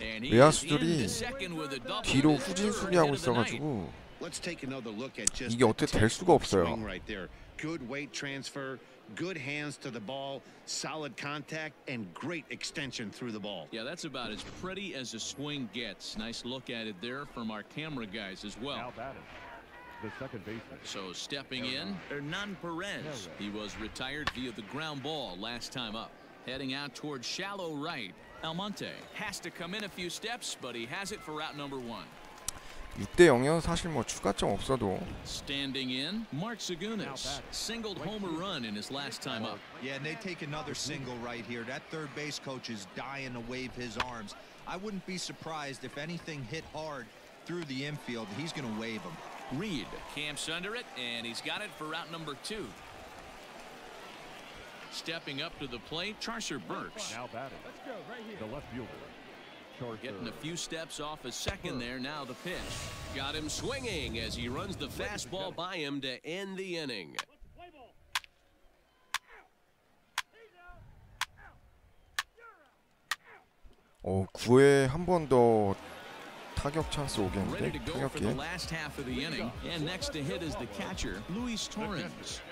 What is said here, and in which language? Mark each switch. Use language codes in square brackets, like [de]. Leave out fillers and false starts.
[ko] 외야수들이 뒤로 후진 수비하고 있어가지고 [en] Let's take another look at just [ko] 이게 어떻게 될 수가 없어요. [en] Right there. Good weight transfer, good hands to the ball, solid contact and great extension through the ball. Yeah, that's about as pretty as a swing gets. Nice look at it there from our camera guys as well. The second baseman. So stepping in, Hernan Perez. He was retired via the ground ball last time up. Heading out towards shallow right. Almonte has to come in a few steps, but he has it for out number one. [ko] 6대 0이어 사실 뭐 추가점 없어도. [en] Standing in, Mark Sagunas singled home a run in his last time up. Yeah, and they take another single right here. That third base coach is dying to wave his arms. I wouldn't be surprised if anything hit hard through the infield. He's going to wave them. Reed camps under it, and he's got it for out number two. Stepping up to the plate, Charcer Burks. Now batting. Let's go right here. The left fielder. Charcer. Getting a few steps off a second there. Now the pitch. Got him swinging as he runs the fastball by him to end the inning. [ko] Oh, 9회 한 번 더. 타격 찬스 오겠는데 타격기 [en] and next to hit is the catcher Luis Torrens.